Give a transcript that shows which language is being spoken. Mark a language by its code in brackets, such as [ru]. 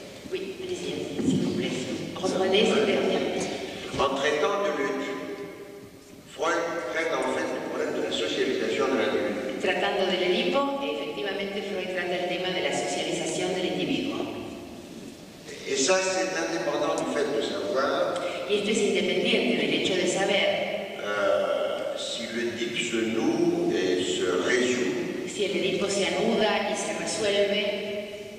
[fr] Oui, s'il vous plaît, reprenez cette dernière. En traitant de l'Edipo, Freud traite en fait le problème de la socialisation de l'individu. [es] Tratando del Edipo, efectivamente Freud trata el tema de la socialización del individuo. [fr] Et ça, c'est indépendant du fait de savoir. [es] Y esto es independiente del hecho de saber. [fr] Si l'Edipo se noue et se résout. [es] Si el Edipo se anuda y se resuelve.